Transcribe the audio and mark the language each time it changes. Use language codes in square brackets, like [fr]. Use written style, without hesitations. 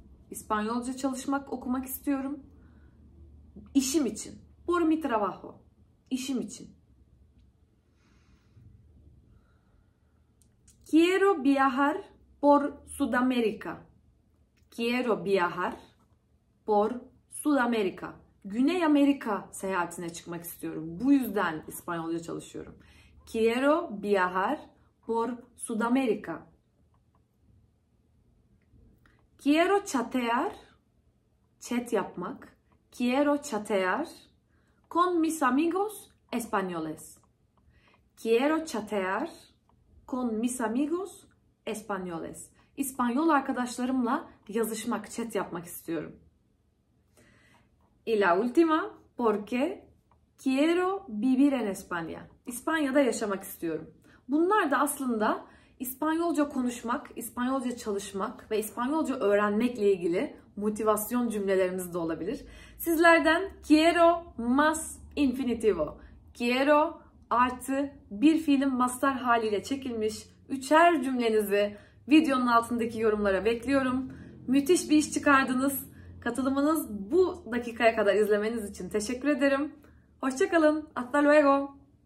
[tr] İspanyolca çalışmak, okumak istiyorum. İşim için. [es] Por mi trabajo. [tr] İşim için. [es] Quiero viajar por Sudamérica. Quiero viajar por Sudamérica. [tr] Güney Amerika seyahatine çıkmak istiyorum. Bu yüzden İspanyolca çalışıyorum. [es] Quiero viajar por Sudamérica. Quiero chatear. [tr] Chat yapmak. [es] Quiero chatear. con mis amigos españoles. Quiero chatear con mis amigos españoles. [tr] İspanyol arkadaşlarımla yazışmak, chat yapmak istiyorum. [es] Y la última, porque quiero vivir en España. [tr] İspanya'da yaşamak istiyorum. Bunlar da aslında İspanyolca konuşmak, İspanyolca çalışmak ve İspanyolca öğrenmekle ilgili motivasyon cümlelerimiz de olabilir. [es] Sizlerden quiero más infinitivo. [tr] Quiero artı bir fiilin mastar haliyle çekilmiş üçer cümlenizi videonun altındaki yorumlara bekliyorum. Müthiş bir iş çıkardınız. Katılımınız bu dakikaya kadar izlemeniz için teşekkür ederim. Hoşça kalın. [es] Hasta luego.